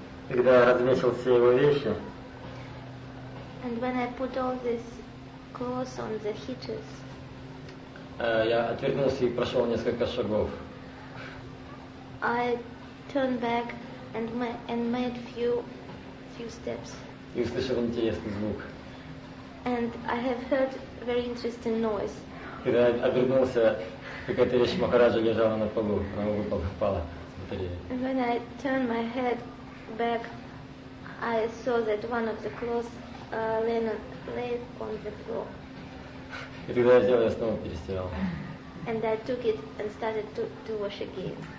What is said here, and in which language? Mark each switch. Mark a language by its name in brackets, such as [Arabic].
[Russian] Когда я развесил все его вещи. [English] And when I put all these clothes on the heaters. [Russian] Я отвернулся и прошел несколько шагов. [English] I turned back and made few steps. [Russian] И услышал интересный звук. [English] And I have heard very interesting noise. [Russian] Когда я обернулся, какая-то вещь Махараджа лежала на полу, она упала. [English] And when I turned my head back, I saw that one of the clothes lay on the floor. [Russian] И тогда я взял и снова перестирал. [English] And I took it and started to wash again.